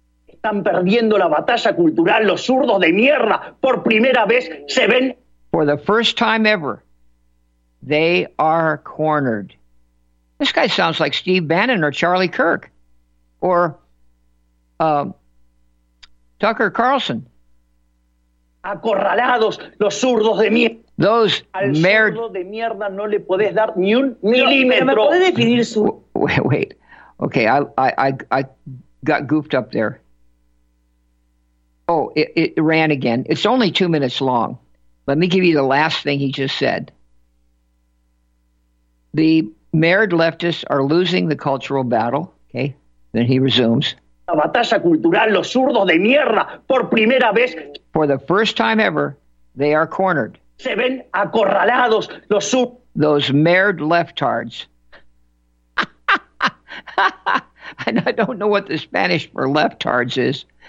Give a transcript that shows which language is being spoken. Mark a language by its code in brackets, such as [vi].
[es] Están perdiendo la batalla cultural, los zurdos de mierda. Por primera vez se ven. [en] For the first time ever, they are cornered. This guy sounds like Steve Bannon or Charlie Kirk or Tucker Carlson. [es] Acorralados, los zurdos de mierda. [en] Those [es] merd... de mierda no le podés dar ni un milímetro. ¿Me puede definir su... [en] Wait. Okay, I got goofed up there. Oh, it ran again. It's only 2 minutes long. Let me give you the last thing he just said. The mayor leftists are losing the cultural battle. Okay. Then he resumes. [es] La batalla cultural, los zurdos de mierda, por primera vez. [en] For the first time ever, they are cornered. [es] Se ven acorralados los zurdos. [en] Those mayored leftards. And I don't know what the Spanish for leftards is.